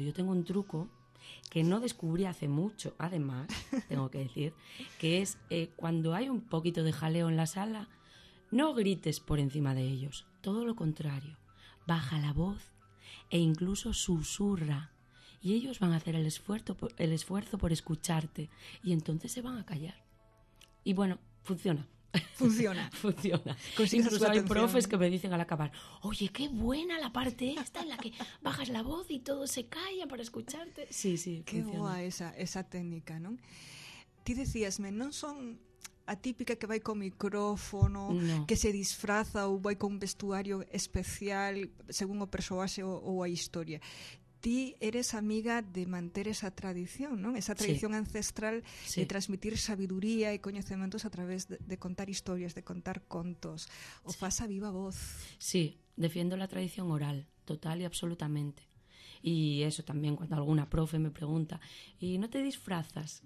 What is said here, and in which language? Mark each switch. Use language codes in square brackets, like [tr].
[es] Yo tengo un truco que no descubrí hace mucho, además, tengo que decir, que es cuando hay un poquito de jaleo en la sala, no grites por encima de ellos, todo lo contrario, baja la voz e incluso susurra, y ellos van a hacer el esfuerzo por escucharte, y entonces se van a callar. Y bueno, funciona. Funciona. Funciona. Consigues incluso hay profes que me dicen al acabar, oye, qué buena la parte esta en la que bajas la voz y todo se calla para escucharte. Sí, sí, qué funciona. [gl] Qué boa esa técnica, non? Ti decíasme, non son a típica que vai con micrófono, que se disfraza ou vai con un vestuario especial según o persoaxe ou a historia. Ti eres amiga de manter esa tradición, non? Esa tradición ancestral de transmitir sabiduría e coñecementos a través de contar historias, de contar contos. O faz a viva voz. [es] Sí, defiendo la tradición oral, total y absolutamente. Y eso también cuando alguna profe me pregunta, ¿y no te disfrazas?